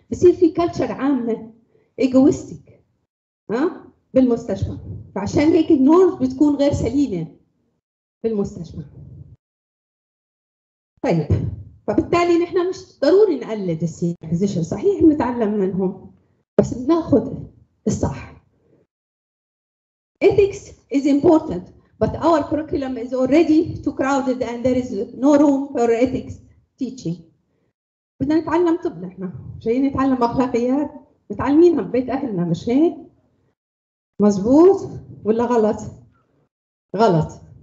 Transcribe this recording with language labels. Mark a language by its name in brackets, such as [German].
[Arabic] بصير في كلتشر عامة ايجويستيك بالمستشفى، فعشان هيك النورز بتكون غير سليمة بالمستشفى. طيب، فبالتالي نحن مش ضروري نقلد السينيور فيزيشن، صحيح نتعلم منهم بس ناخذ الصح. [English] Ethics is important but our curriculum is already too crowded and there is no room for ethics teaching. [Arabic] بدنا نتعلم طب، نحن جايين نتعلم اخلاقيات، متعلمينها ببيت اهلنا مش هيك؟ مزبوط ولا غلط؟ غلط.